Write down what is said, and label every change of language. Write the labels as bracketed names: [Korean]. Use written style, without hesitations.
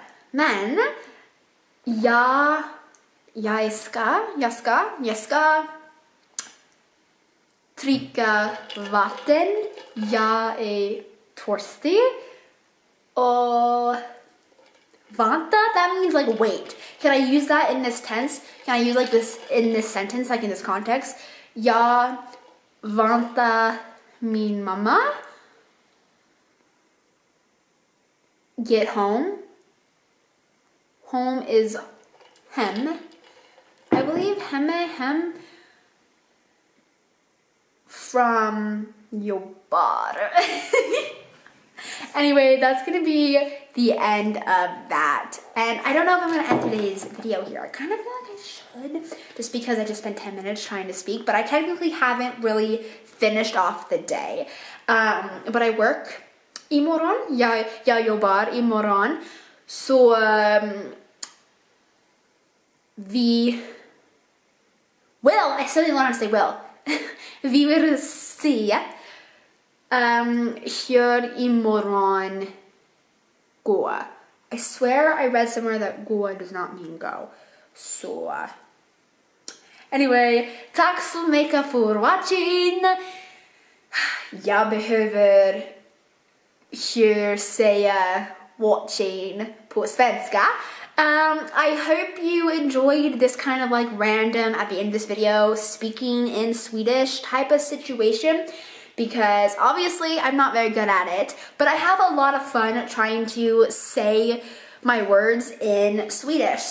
[Swedish] Men jag ska dricka vatten. Jag är torsti och vanta, [English] that means like wait. Can I use that in this tense? Can I use like this in this sentence, like in this context? [Swedish] Ja vanta min mamma. [English] Get home. Home is hem, I believe. Hem. From your bar. Anyway, that's gonna be the end of that. And I don't know if I'm gonna end today's video here. I kind of feel like I should, just because I just spent 10 minutes trying to speak, but I technically haven't really finished off the day. But I work imorgon. [Swedish] Jag jobbar imorgon. [English] So, vi will. I still didn't learn how to say will. [Swedish] Vi vill se. Hur imorgon går. [English] I swear I read somewhere that går does not mean go. [Swedish] So, anyway, tack så mycket för watching. Jag behöver hur säga watching på svenska. [English] I hope you enjoyed this kind of like random at the end of this video speaking in Swedish type of situation. Because obviously I'm not very good at it, but I have a lot of fun trying to say my words in Swedish.